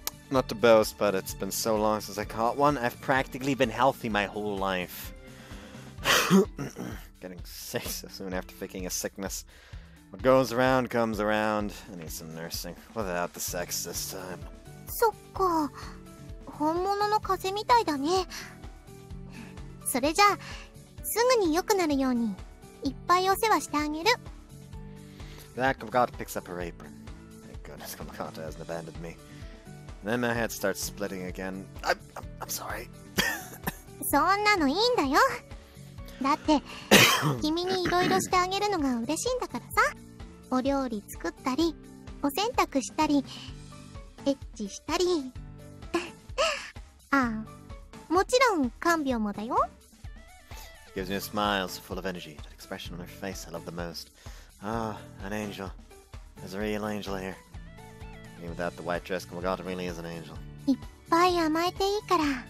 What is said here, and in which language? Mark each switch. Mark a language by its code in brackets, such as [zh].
[en] Not to boast, but it's been so long since I caught one. I've practically been healthy my whole life. Getting sick so soon after faking a sickness. What goes around comes around. I need some nursing without the sex this time. [ja] そっか、本物の風邪みたいだね。それじゃあ、すぐに良くなるようにいっぱいお世話してあげる。 [en] That Kumagata picks up her apron. Thank goodness Kumagata hasn't abandoned me. Then my head starts splitting again. I'm sorry. [ja] そんなのいいんだよ。だって、君にいろいろしてあげるのが嬉しいんだからさ。お料理作ったり、お洗濯したり、エッチしたり。ああ、もちろん看病もだよ。 [en] She gives me a smile so full of energy. That expression on her face I love the most. Ah, an angel. There's a real angel here. Even without the white dress, Kumagata really is an angel. [ja] いっぱい甘えていいから。